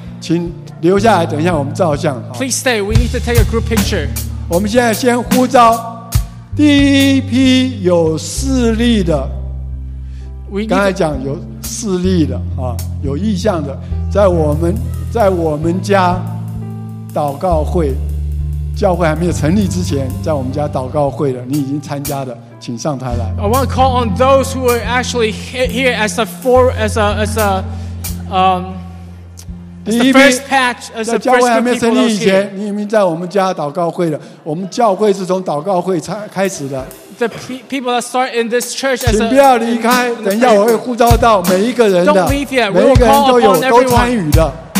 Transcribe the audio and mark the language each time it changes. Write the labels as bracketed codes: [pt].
[zh] 请留下来等一下我们照相 [en] Please stay we need to take a group picture [zh] 我们现在先呼召第一批有势力的刚才讲有势力的啊，有意向的在我们家祷告会教会还没有成立之前在我们家祷告会的你已经参加的请上台来 [en] I want to call on those who are actually here as the first patch as the first group people here [zh] 以前你已经在我们家祷告会了我们教会是从祷告会开始的 [en] The people that start in this church as [zh] 请不要离开等一下我会呼召到每一个人的 [en] Don't leave yet [zh] 每一个人都有都参与的